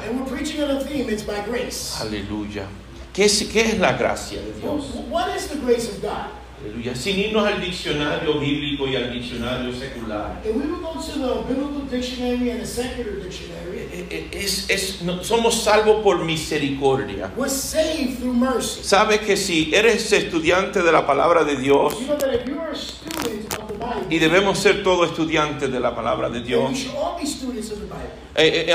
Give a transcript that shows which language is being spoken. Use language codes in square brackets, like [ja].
[en] And we're preaching on a theme, it's by grace. [es] Aleluya. ¿Qué es la gracia de Dios? [en] What is the grace of God? [es] Aleluya. Sin irnos al diccionario bíblico y al diccionario secular. [en] If we would go to the biblical dictionary and the secular dictionary. [es] No, somos salvos por misericordia. [en] We're saved through mercy. [es] Sabes que si eres estudiante de la palabra de Dios. [en] You know that if you're a student of the Bible. [es] Y debemos ser todos estudiantes de la palabra de Dios. [en] We should all be students of the Bible.